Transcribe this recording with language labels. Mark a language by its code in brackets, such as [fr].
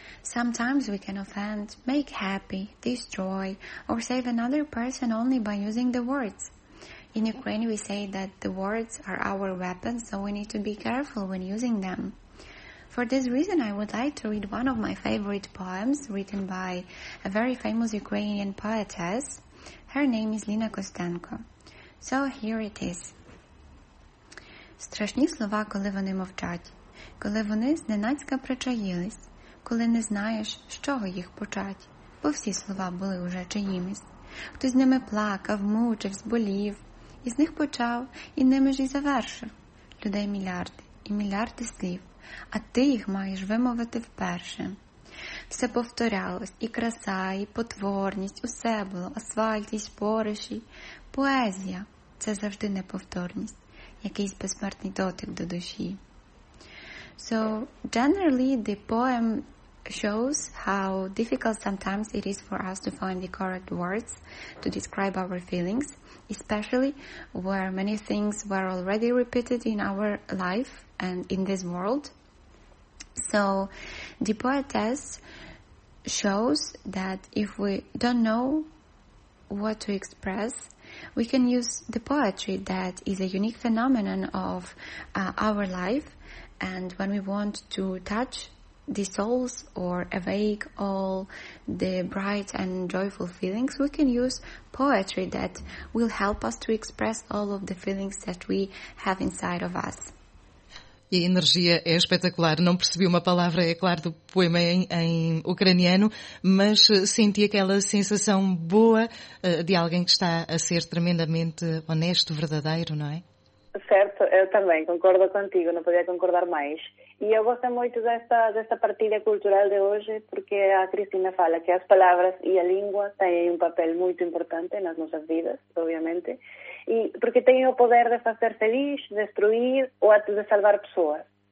[en] Sometimes we can offend, make happy, destroy, or save another person only by using the words. In Ukraine, we say that the words are our weapons, so we need to be careful when using them. For this reason, I would like to read one of my favorite poems written by a very famous Ukrainian poetess. Her name is Lina Костенко. So here it is. [uk] Страшні слова, коли вони мовчать, коли вони зненацька причаїлись. Коли не знаєш, з чого їх почать, бо всі слова були уже чиїмись. Хтось ними плакав, мучив, зболів, і з них почав, і ними ж і завершив. Людей мільярди і мільярди слів, а ти їх маєш вимовити вперше. Все повторялось, і краса, і потворність, усе було, асфальт, і спориші. Поезія – це завжди неповторність, якийсь безсмертний дотик до душі. [en] So, generally, the poem shows how difficult sometimes it is for us to find the correct words to describe our feelings, especially where many things were already repeated in our life and in this world. So, the poetess shows that if we don't know what to express, we can use the poetry that is a unique phenomenon of our life. And when we want to touch the souls or awake all the bright and joyful feelings, we can use poetry that will help us to express all of the feelings that we have inside of us. [pt] E a energia é espetacular. Não percebi uma palavra, é claro, do poema em ucraniano, mas senti aquela sensação boa de alguém que está a ser tremendamente honesto, verdadeiro, não é? Certo, eu também concordo contigo, não podia concordar mais. E eu gosto muito desta partilha cultural de hoje, porque a Cristina fala que as palavras e a língua têm papel muito importante nas nossas vidas, obviamente, e porque têm o poder de fazer feliz, destruir ou até de salvar pessoas.